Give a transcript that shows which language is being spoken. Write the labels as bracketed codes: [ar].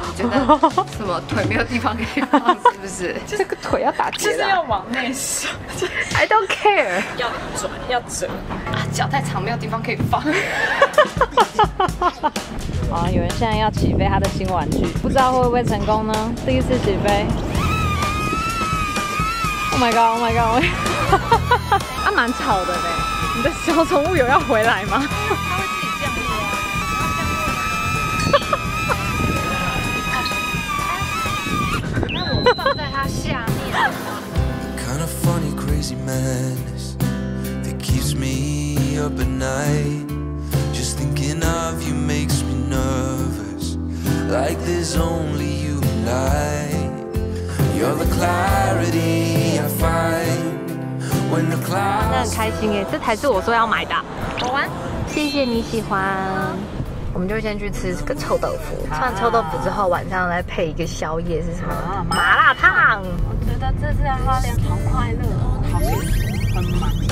[zh] 你觉得什么腿没有地方可以放是不是？就是、这个腿要打结的，就是要往内收。 [en] I don't care， [zh] 要转要折啊，脚太长没有地方可以放。啊、哦！有人现在要起飞他的新玩具，不知道会不会成功呢？第一次起飞 [en] ！Oh my god！Oh my god！ [zh] 啊，蛮吵的嘞！你的小宠物有要回来吗？它会自己降落啊！它降落。哈哈哈哈哈！那我放在它下面。 [en] Kind of funny, crazy madness that keeps me up at night. Just thinking of you makes me nervous. Like there's only you and I. You're the clarity I find when the clouds. [zh] 真的很开心耶，这才是我说要买的。好玩，谢谢你喜欢。我们就先去吃个臭豆腐。吃完臭豆腐之后，晚上来配一个宵夜是什么？麻辣烫。我觉得这次花莲好快乐，好幸福，很满。